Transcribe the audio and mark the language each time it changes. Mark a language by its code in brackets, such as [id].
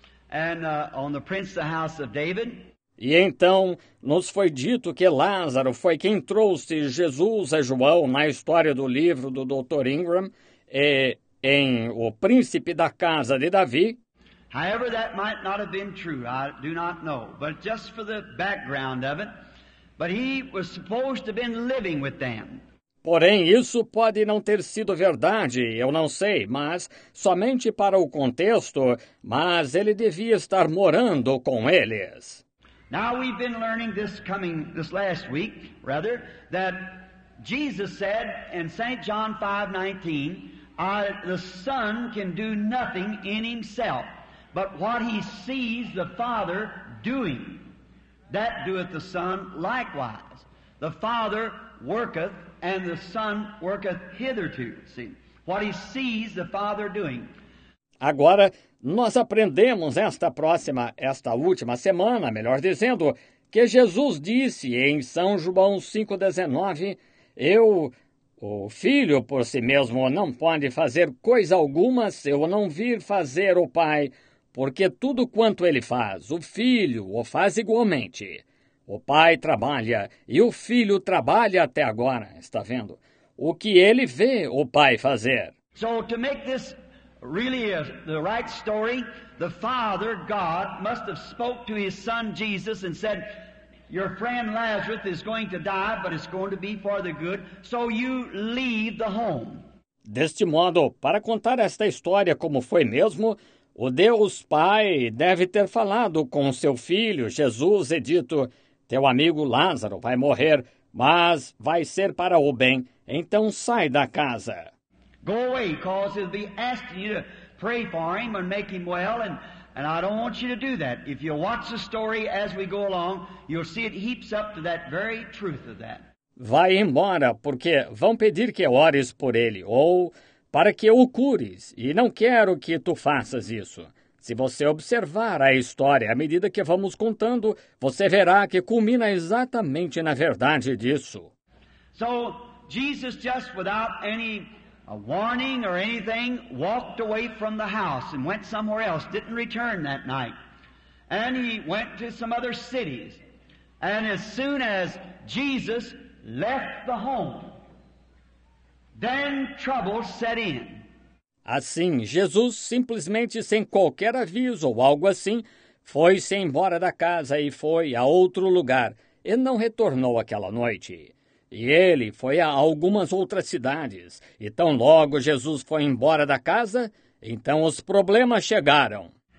[en] And on the Prince of the House of David. [pt] E então nos foi dito que Lázaro foi quem trouxe Jesus a João na história do livro do Dr. Ingram e em O Príncipe da Casa de Davi. [en] However, that might not have been true. I do not know. But just for the background of it, but he was supposed to have been living with them. [pt] Porém, isso pode não ter sido verdade, eu não sei, mas somente para o contexto, mas ele devia estar morando com eles. [en] Now we've been learning this last week, rather, that Jesus said in St. John 5:19, the Son can do nothing in himself, but what he sees the Father doing, that doeth the Son likewise. The Father worketh, and the Son worketh hitherto. See, what he sees the Father doing. [pt] Agora, nós aprendemos esta última semana, melhor dizendo, que Jesus disse em São João 5:19, eu, o Filho, por si mesmo, não pode fazer coisa alguma se eu não vir fazer o Pai, porque tudo quanto ele faz, o Filho o faz igualmente. O Pai trabalha e o Filho trabalha até agora, está vendo? O que ele vê o Pai fazer. [en] So to make this really the right story, the Father, God, must have spoke to his Son Jesus and said, your friend Lazarus is going to die, but it's going to be for the good, so you leave the home. [pt] Deste modo, para contar esta história como foi mesmo, o Deus Pai deve ter falado com o seu Filho Jesus e dito, teu amigo Lázaro vai morrer, mas vai ser para o bem. Então sai da casa. [en] Go away, because he'll be asking you to pray for him and make him well, and I don't want you to do that. If you watch the story as we go along, you'll see it heaps up to that very truth of that. [pt] Vai embora, porque vão pedir que ores por ele, ou para que o cures, e não quero que tu faças isso. Se você observar a história à medida que vamos contando, você verá que culmina exatamente na verdade disso. [en] So, Jesus just without any warning or anything walked away from the house and went somewhere else, didn't return that night. And he went to some other cities. And as soon as Jesus left the home, then trouble set in. [pt] Assim, Jesus, simplesmente sem qualquer aviso ou algo assim, foi-se embora da casa e foi a outro lugar, e não retornou aquela noite. E ele foi a algumas outras cidades. E tão logo Jesus foi embora da casa, então os problemas chegaram.